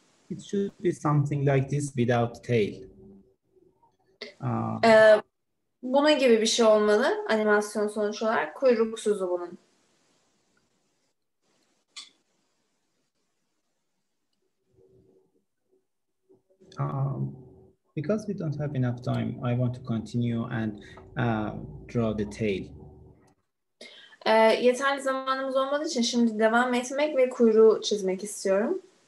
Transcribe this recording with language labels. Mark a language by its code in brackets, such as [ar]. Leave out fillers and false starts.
[en] It should be something like this without tail. [tr] Bunun gibi bir şey olmalı animasyon sonuç olarak. Kuyruksuzu bunun. [en] Because we don't have enough time, I want to continue and draw the tail. [tr] Yeterli zamanımız olmadığı için şimdi devam etmek ve kuyruğu çizmek istiyorum.